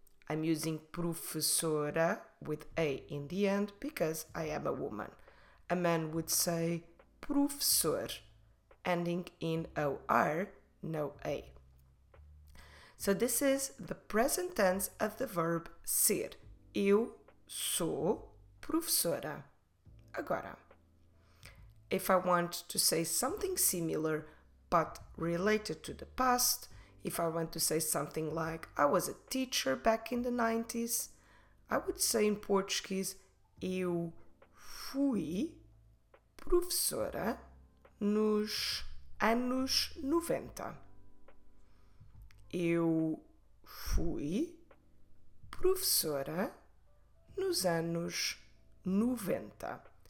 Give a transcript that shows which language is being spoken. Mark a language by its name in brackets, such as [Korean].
[English] I'm using professora with A in the end because I am a woman. A man would say professor, ending in O-R, no A. So this is the present tense of the verb ser. [Portuguese] Eu sou professora agora. [English] If I want to say something similar but related to the past, if I want to say something like I was a teacher back in the 90s, I would say in Portuguese, [Portuguese] eu fui professora nos anos 90. Eu fui professora nos anos 90.